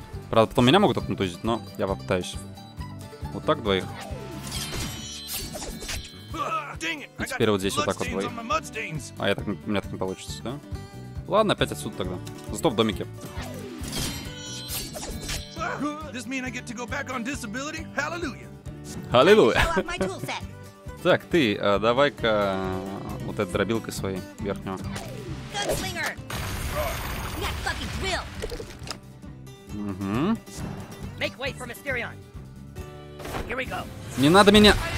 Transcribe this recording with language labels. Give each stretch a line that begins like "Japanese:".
Russian: Правда, потом меня могут отмутузить, но я попытаюсь. Вот так двоих. И теперь вот здесь вот так вот двоих. А я так, у меня так не получится, да? Ладно, опять отсюда тогда. Зато в домике.
English: This mean I get to go back on disability? Hallelujah. Hallelujah.
Russian: Так, ты, давай-ка вот этой дробилкой своей верхнего. Угу.
English: Make way for Mysterion. Here we go.
Russian: Не надо меня.